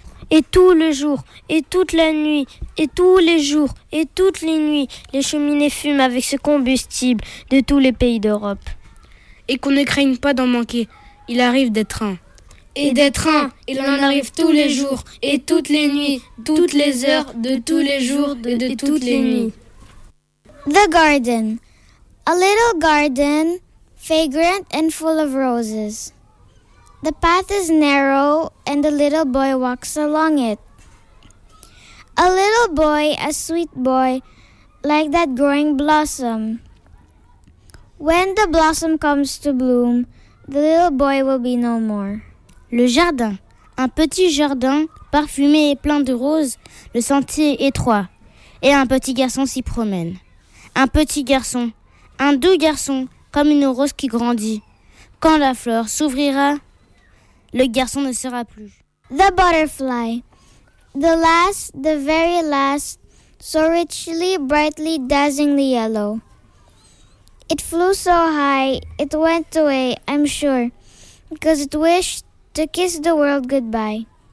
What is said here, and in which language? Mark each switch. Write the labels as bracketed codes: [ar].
[fr] Et tout le jour, et toute la nuit, et tous les jours, et toutes les nuits, les cheminées fument avec ce combustible de tous les pays d'Europe. Et qu'on ne craigne pas d'en manquer, il arrive des trains. Et des trains, il en arrive tous les jours, et toutes les nuits, toutes les heures, de tous les jours, et de toutes les nuits. [en] The garden. A little garden, fragrant and full of roses. The path is narrow, and the little boy walks along it. A little boy, a sweet boy, like that growing blossom. When the blossom comes to bloom, the little boy will be no more. [fr] Le jardin. Un petit jardin, parfumé et plein de roses, le sentier étroit, et un petit garçon s'y promène. Un petit garçon, un doux garçon, comme une rose qui grandit. Quand la fleur s'ouvrira, le garçon ne sera plus. [en] The butterfly. The last, the very last, so richly, brightly, dazzlingly yellow. It flew so high, it went away, I'm sure, because it wished to kiss the world goodbye.